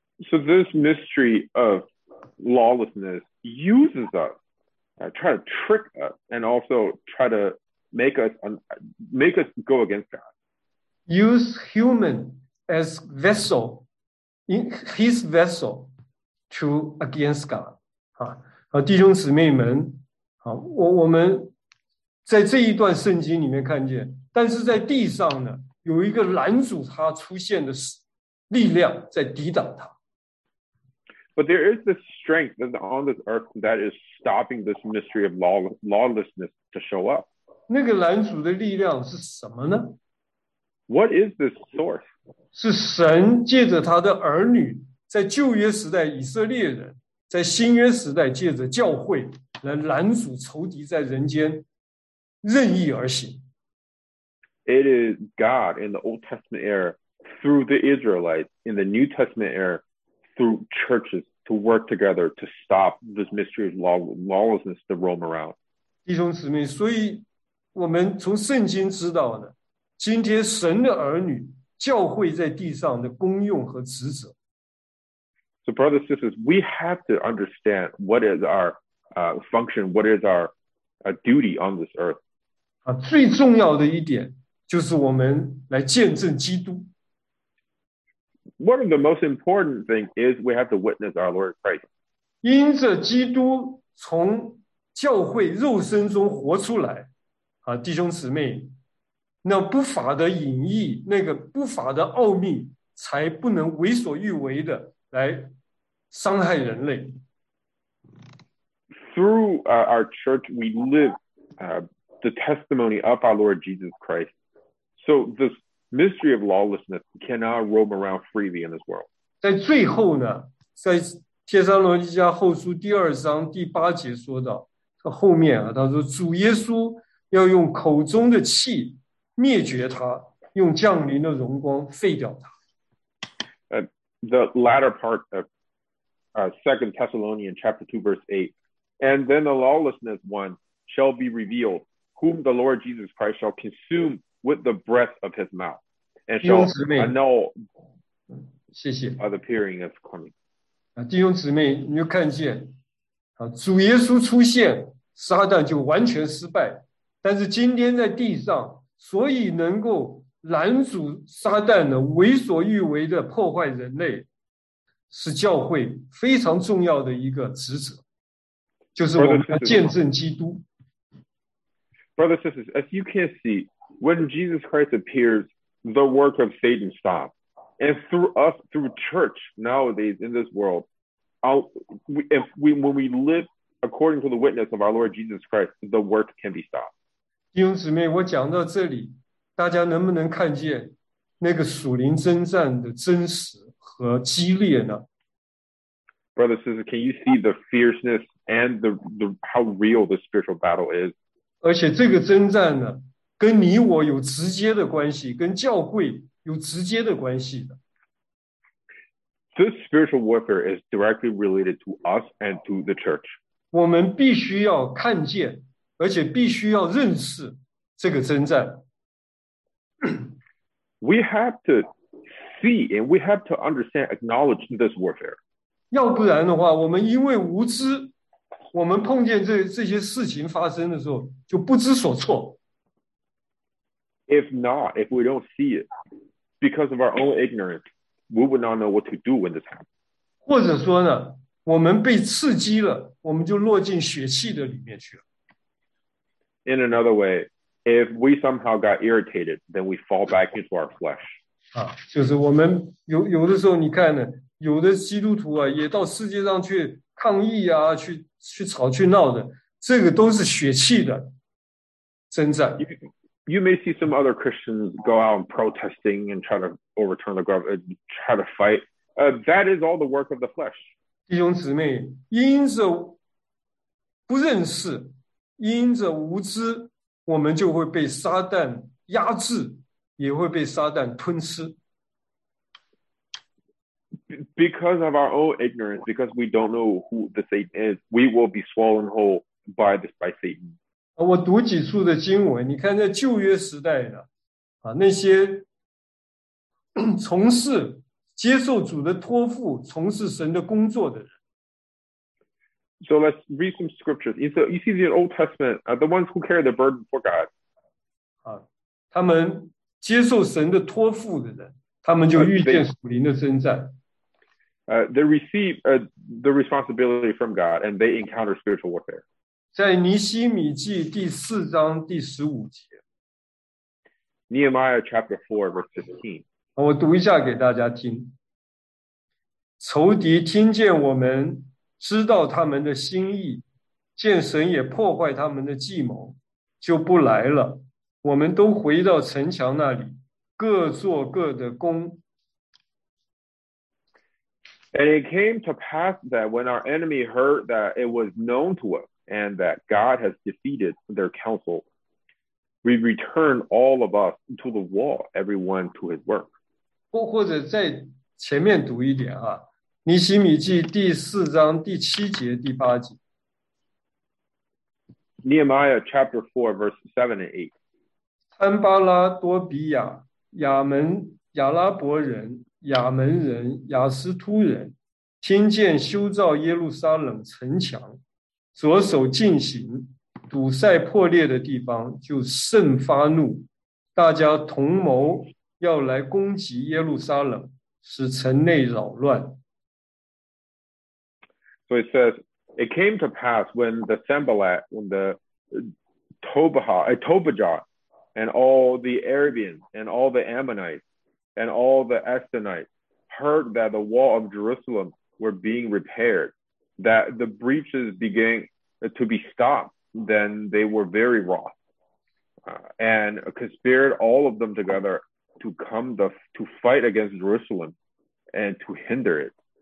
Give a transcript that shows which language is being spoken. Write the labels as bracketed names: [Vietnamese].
[English] So this mystery of lawlessness uses us, try to trick us, and also try to make us go against God. Use human as vessel, in his vessel, to against God. [Chinese] 弟兄姊妹们，我们在这一段圣经里面看见，但是在地上呢，有一个拦阻他出现的力量在抵挡他。 [English] But there is this strength that on this earth that is stopping this mystery of lawlessness to show up. [Chinese] 那个拦阻的力量是什么呢？ [English] What is this source? [Chinese] 是神借着他的儿女，在旧约时代以色列人，在新约时代借着教会来拦阻仇敌在人间任意而行。 [English] It is God in the Old Testament era through the Israelites in the New Testament era. Through churches to work together to stop this mystery of lawlessness to roam around. [Chinese] 弟兄姊妹，所以我们从圣经知道呢，今天神的儿女教会在地上的功用和职责。 [English] So brothers and sisters, we have to understand what is our function, what is our duty on this earth. [Chinese] 最重要的一点就是我们来见证基督。 [English] One of the most important things is we have to witness our Lord Christ. [Chinese] 因着基督从教会肉身中活出来，弟兄姊妹，那不法的隐义，那个不法的奥秘，才不能为所欲为的来伤害人类。 [English] Through our church, we live the testimony of our Lord Jesus Christ. So this. Mystery of lawlessness cannot roam around freely in this world. [Chinese] 在最后呢，在帖撒罗尼迦后书第二章第八节说到，后面啊，他说主耶稣要用口中的气灭绝他，用降临的荣光废掉他。 [English] The latter part of Second Thessalonians chapter 2 verse 8, and then the lawlessness one shall be revealed, whom the Lord Jesus Christ shall consume. With the breath of his mouth, and shall annul the appearing of coming. [Chinese] 弟兄姊妹，你就看见，主耶稣出现，撒旦就完全失败。但是今天在地上，所以能够拦阻撒旦的为所欲为的破坏人类，是教会非常重要的一个职责，就是我们要见证基督。 [English] Brothers and sisters, as you can see. When Jesus Christ appears, the work of Satan stops. And through us, through church nowadays in this world, when we live according to the witness of our Lord Jesus Christ, the work can be stopped. [Chinese] 弟兄姊妹，我讲到这里，大家能不能看见那个属灵征战的真实和激烈呢？ [English] Brother, sister, can you see the fierceness and the how real the spiritual battle is? [Chinese] 而且这个征战呢？跟你我有直接的关系，跟教会有直接的关系的。 [English] This spiritual warfare is directly related to us and to the church. [Chinese] 我们必须要看见，而且必须要认识这个征战。 [English] We have to see and we have to understand, acknowledge this warfare. [Chinese] 要不然的话，我们因为无知，我们碰见这些事情发生的时候，就不知所措。 [English] If not, if we don't see it, because of our own ignorance, we would not know what to do when this happens. [Chinese] 或者说呢，我们被刺激了，我们就落进血气的里面去了。 [English] In another way, if we somehow got irritated, then we fall back into our flesh. [Chinese] 就是我们有的时候，你看呢，有的基督徒啊，也到世界上去抗议啊，去吵去闹的，这个都是血气的征战。 [English] You may see some other Christians go out and protesting and try to overturn the government, try to fight. That is all the work of the flesh. [Chinese] 弟兄姊妹，因着不认识，因着无知，我们就会被撒旦压制，也会被撒旦吞吃。 [English] Because of our own ignorance, because we don't know who the Satan is, we will be swallowed whole by Satan. [Chinese] 我读几处的经文，你看在旧约时代的那些从事接受主的托付、从事神的工作的人。 [English] So let's read some scriptures. You see the Old Testament, the ones who carry the burden for God. [Chinese] 他们接受神的托付的人，他们就遇见属灵的征战。 [English] They receive the responsibility from God, and they encounter spiritual warfare. [Chinese] 在尼希米记第四章第十五节。 [English] Nehemiah chapter 4, verse 15. [Chinese] 我读一下给大家听。仇敌听见我们，知道他们的心意，见神也破坏他们的计谋，就不来了。我们都回到城墙那里，各做各的工。 [English] And it came to pass that when our enemy heard that it was known to us and that God has defeated their counsel, we returned all of us to the wall, everyone to his work. [Chinese] 或者在前面读一点啊，尼希米记第四章第七节第八节。 [English] Nehemiah chapter 4, verse 7 and 8. [Chinese] 参巴拉多比亚，亚门亚拉伯人。亚门人、亚斯突人听见修造耶路撒冷城墙，着手进行堵塞破裂的地方，就甚发怒，大家同谋要来攻击耶路撒冷，使城内扰乱。 [English] So it says, it came to pass when the Sambalat, when the Tobijah, and all the Arabians, and all the Ammonites,and all the Ashdodites heard that the wall of Jerusalem were being repaired, that the breaches began to be stopped, then they were very wroth, and conspired all of them together to come the, to fight against Jerusalem and to hinder it.